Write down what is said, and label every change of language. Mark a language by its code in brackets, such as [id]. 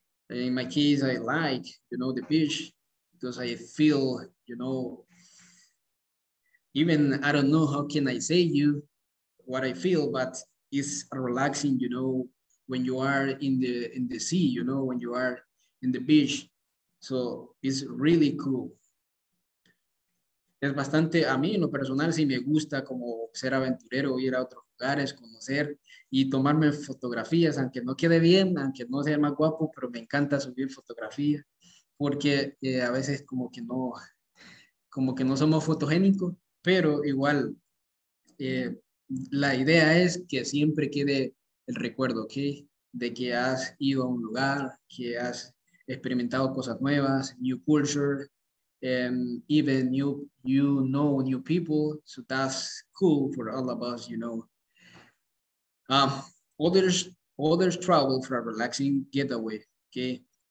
[en] In my case, I like, you know, the beach because I feel, you know, even I don't know how can I say you what I feel, but it's relaxing, you know, when you are in the sea, you know, when you are in the beach. So it's really cool. [es] Es bastante, a mí en lo personal sí me gusta como ser aventurero, ir a otros lugares, conocer y tomarme fotografías, aunque no quede bien, aunque no sea más guapo, pero me encanta subir fotografías porque a veces como que no somos fotogénicos, pero igual la idea es que siempre quede el recuerdo, ¿ok? De que has ido a un lugar, que has experimentado cosas nuevas, [en] new culture, even new people, so that's cool for all of us, you know. Others travel for a relaxing getaway, okay?